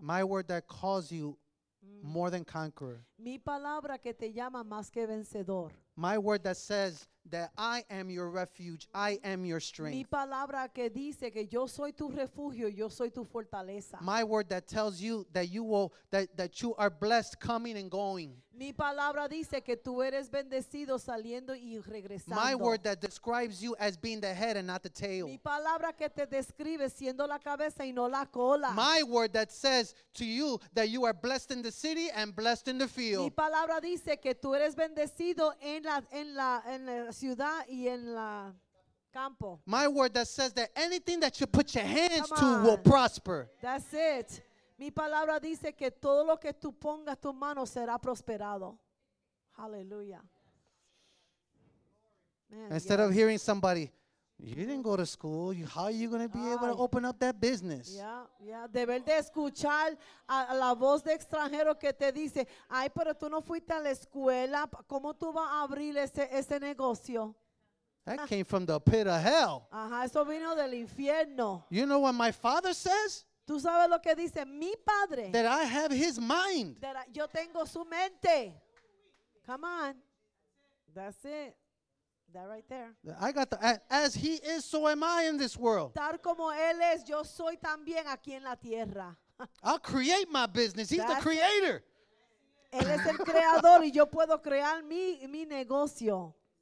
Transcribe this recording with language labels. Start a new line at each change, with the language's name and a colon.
English: My word that calls you more than conqueror.
Spanish: Mi palabra que te llama más que vencedor.
English: My word that says that I am your refuge, I am your strength.
Spanish: Mi palabra que dice que yo soy tu refugio, yo soy tu fortaleza.
English: My word that tells you that you are blessed coming and going.
Spanish: Mi palabra dice que tú eres bendecido saliendo y regresando.
English: My word that describes you as being the head and not the tail.
Spanish: Mi palabra que te describe siendo la cabeza y no la cola.
English: My word that says to you that you are blessed in the city and blessed in the field.
Spanish: Mi palabra dice que tú eres bendecido en la ciudad y en la campo.
English: My word that says that anything that you put your hands to will prosper. That's it.
Spanish: Mi palabra dice que todo lo que tú pongas tu mano será prosperado.
English: Hallelujah. Instead of hearing somebody, you didn't go to school, how are you going to be able to open up that business? Yeah.
Spanish: Deber de escuchar a la voz de extranjero que te dice, ay, pero tú no fuiste a la escuela, ¿cómo tú vas a abrir ese negocio?
English: That came from the pit of hell.
Spanish: Ajá, eso vino del infierno.
English: You know what my father says?
Spanish: ¿Tú sabes lo que dice mi padre?
English: That I have his mind.
Spanish: Yo tengo su mente.
English: Come on. That's it. That right there. I got the, as he is, so am I in this world.
Spanish: Tal como él es, yo soy también aquí en la tierra.
English: I'll create my business. He's the creator.
Spanish: Él es el creador y yo puedo crear mi negocio.